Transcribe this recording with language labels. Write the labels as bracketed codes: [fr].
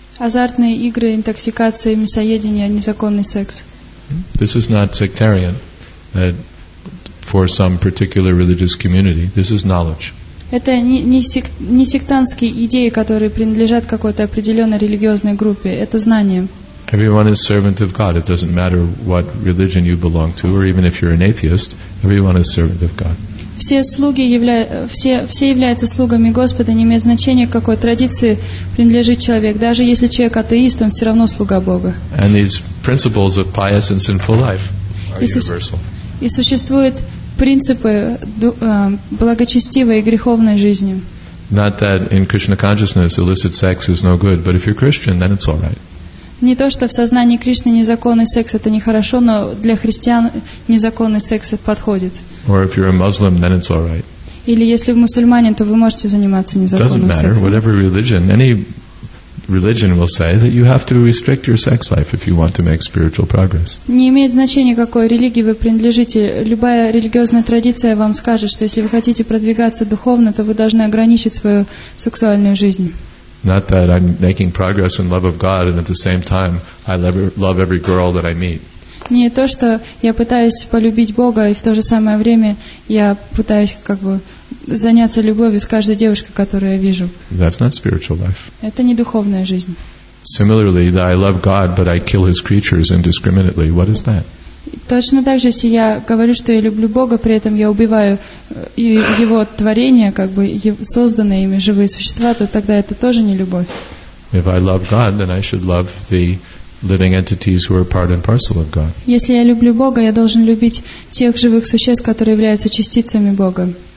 [ru] Азартные игры, интоксикация, мясоедение, незаконный секс. [en] This is not sectarian. for some particular religious community. This is knowledge. [ru] Это не сектантские идеи, которые принадлежат какой-то определенной религиозной группе. Это знание. [en] Everyone is servant of God. It doesn't matter what religion you belong to, or even if you're an atheist. Everyone is servant of God. [ru] Все являются слугами Господа, не имеет значения, к какой традиции принадлежит человек. Даже если человек атеист, он все равно слуга Бога. [en] And these principles of pious and sinful life are universal. [ru] И существуют принципы благочестивой и греховной жизни. [en] Not that in Krishna consciousness illicit sex is no good, but if you're Christian, then it's all right. [ru] Не то, что в сознании Кришны незаконный секс это нехорошо, но для христиан незаконный секс это подходит. [en] Or if you're a Muslim, then it's all right. [ru] Или если вы мусульманин, то вы можете заниматься незаконным сексом. [en] Doesn't matter, whatever religion, any religion will say that you have to restrict your sex life if you want to make spiritual progress. [ru] Не имеет значения, какой религии вы принадлежите. Любая религиозная традиция вам скажет, что если вы хотите продвигаться духовно, то вы должны ограничить свою сексуальную жизнь. [en] Not that I'm making progress in love of God and at the same time I love every girl that I meet. [ru] Не то, что я пытаюсь полюбить Бога и в то же самое время я пытаюсь как бы заняться любовью с каждой девушкой, которую я вижу. [en] That's not spiritual life. [ru] Это не духовная жизнь. [en] Similarly, that I love God but I kill his creatures indiscriminately. What is that? [ru] Точно так же, если я говорю, что я люблю Бога, при этом я убиваю Его творения, как бы созданные ими живые существа, то тогда это тоже не любовь. Если я люблю Бога, я должен любить тех живых существ, которые являются частицами Бога.